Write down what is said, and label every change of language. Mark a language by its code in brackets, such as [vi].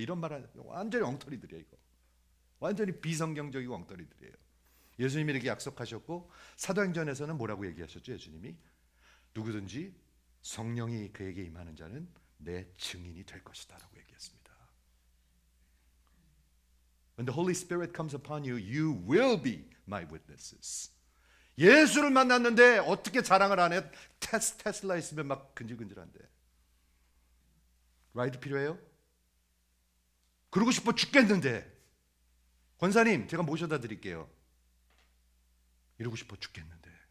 [ko] 이런 말 하는 완전히 엉터리들이에요, 이거. 완전히 비성경적이고 엉터리들이에요. 예수님이 이렇게 약속하셨고, 사도행전에서는 뭐라고 얘기하셨죠, 예수님이? 누구든지 성령이 그에게 임하는 자는 내 증인이 될 것이다 라고 얘기했습니다. [en] When the Holy Spirit comes upon you, you will be my witnesses. [ko] 예수를 만났는데 어떻게 자랑을 안 해? 테슬라 있으면 막 근질근질한데. 라이드 필요해요? 그러고 싶어 죽겠는데. 권사님, 제가 모셔다 드릴게요. 이러고 싶어 죽겠는데.